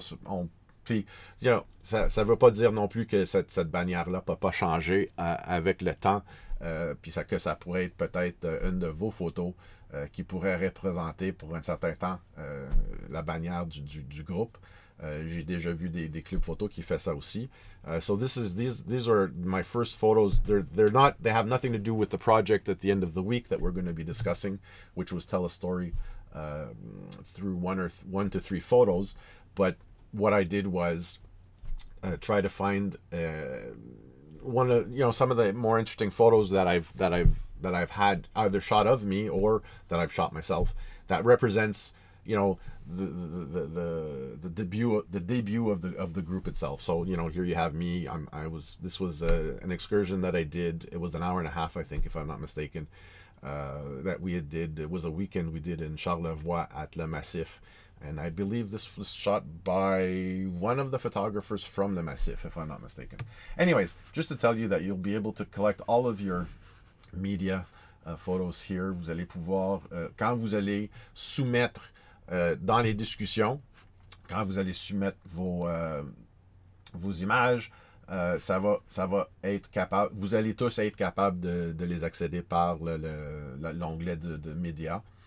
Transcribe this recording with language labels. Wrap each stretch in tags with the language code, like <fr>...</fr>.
<fr>ça ne veut pas dire non plus que cette bannière-là ne peut pas changer avec le temps, puis que ça pourrait être peut-être une de vos photos qui pourrait représenter pour un certain temps la bannière du groupe. J'ai déjà vu des clubs photos qui font ça aussi.</fr> <en>So these are my first photos. They have nothing to do with the project at the end of the week that we're going to be discussing, which was tell a story through one to three photos. But what I did was try to find some of the more interesting photos that I've had either shot of me or that I've shot myself that represents, you know, the debut of the group itself. So, you know, here you have me. This was an excursion that I did. It was an hour and a half, I think, if I'm not mistaken, that we had did. It was a weekend we did in Charlevoix at Le Massif. And I believe this was shot by one of the photographers from Le Massif, if I'm not mistaken. Anyways, just to tell you that you'll be able to collect all of your media photos here.</en> <fr>Vous allez pouvoir, quand vous allez soumettre dans les discussions, quand vous allez soumettre vos images, vous allez tous être capables de les accéder par l'onglet de médias.</fr>